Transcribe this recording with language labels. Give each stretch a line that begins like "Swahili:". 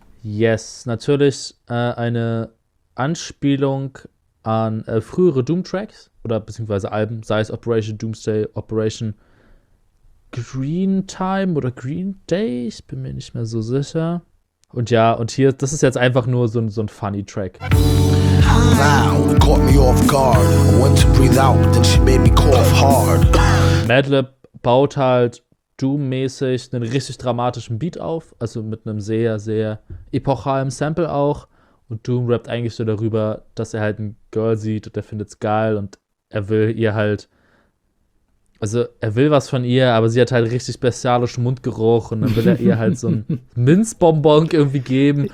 German: Yes, natürlich eine Anspielung an frühere Doom-Tracks oder beziehungsweise Alben, sei es Operation Doomsday, Operation Green Time oder Green Day, ich bin mir nicht mehr so sicher. Und ja, und hier, das ist jetzt einfach nur so ein funny Track.
English: Now, caught me off guard. I went to breathe out, then she made me cough hard.
German: Madlib baut halt Doom-mäßig einen richtig dramatischen Beat auf, also mit einem sehr, sehr epochalen Sample auch. Und Doom rappt eigentlich so darüber, dass er halt ein Girl sieht und er findet's geil und er will ihr halt. Also er will was von ihr, aber sie hat halt richtig bestialischen Mundgeruch und dann will er ihr halt so ein Minzbonbon irgendwie geben.